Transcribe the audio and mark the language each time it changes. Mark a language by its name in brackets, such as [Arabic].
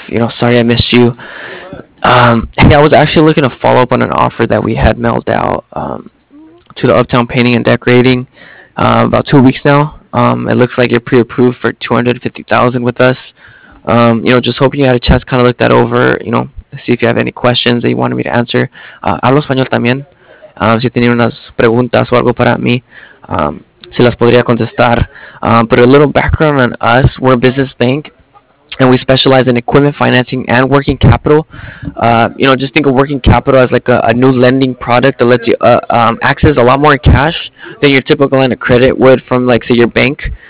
[English] You know, sorry I missed you. Hey, I was actually looking to follow up on an offer that we had mailed out to the Uptown Painting and Decorating about 2 weeks now. It looks like you're pre-approved for $250,000 with us. You know, just hoping you had a chance to kind of look that over, you know, see if you have any questions that you wanted me to answer. [Spanish] Hablo español también. Si tenían unas preguntas o algo para mí, si las podría contestar. [English] But a little background on us, we're a business bank. And we specialize in equipment financing and working capital. You know, just think of working capital as like a new lending product that lets you access a lot more cash than your typical line of credit would from, like, say, your bank.